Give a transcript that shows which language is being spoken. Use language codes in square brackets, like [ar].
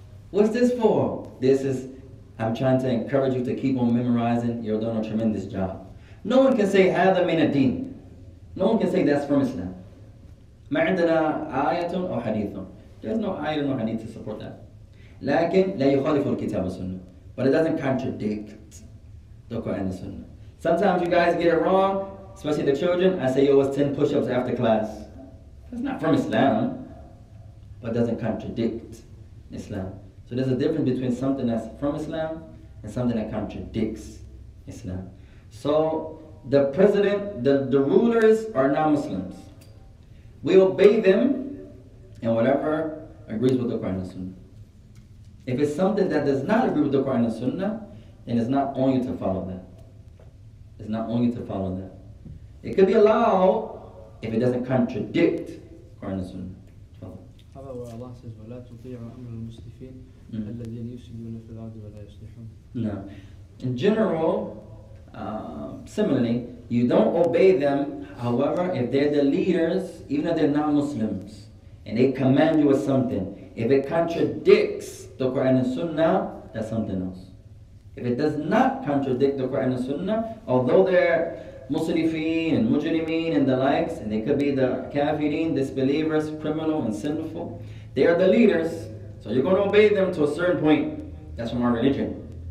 [en] What's this for? This is, I'm trying to encourage you to keep on memorizing. You're doing a tremendous job. No one can say, [ar] هذا من الدين. [en] No one can say that's from Islam. [ar] ما عندنا آية أو حديث. [en] There's no آية or hadith to support that. [ar] لكن لا يخالف الكتاب والسنة. [en] But it doesn't contradict the Quran and Sunnah. Sometimes you guys get it wrong, especially the children. I say, yo, it's 10 push-ups after class. That's not from Islam, but doesn't contradict Islam. So there's a difference between something that's from Islam and something that contradicts Islam. So the president, the rulers are not Muslims. We obey them and whatever agrees with the Quran and Sunnah. If it's something that does not agree with the Quran and Sunnah, then it's not on you to follow that. It's not on you to follow that. It could be allowed if it doesn't contradict Quran and Sunnah. [ar] Allah says, وَلَا تُطِيعُ أَمْرَ الْمُسْلِفِينَ الَّذِينَ يُسْلِيُونَ فِي الْعَدْ وَلَا يُسْلِحُونَ. [en] No. in general, similarly, you don't obey them, however, if they're the leaders, even if they're not Muslims, and they command you with something, if it contradicts the Quran and Sunnah, that's something else. If it does not contradict the Quran and Sunnah, although they're Musrifeen and Mujrimeen and the likes, and they could be the Kafirin, disbelievers, criminal and sinful, they are the leaders, so you're going to obey them to a certain point. That's from our religion.